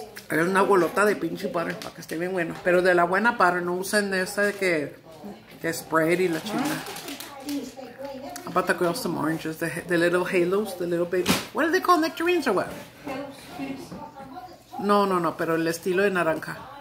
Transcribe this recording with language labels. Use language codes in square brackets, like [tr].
[es] Es una bolota de pinche butter para que esté bien bueno. Pero de la buena para no usen esta [en] de que spray [es] y la chinga. [en] I'm about to grab some oranges, the little halos, the little baby. What are they called, nectarines or what? [es] No, no, no, pero el estilo de naranja.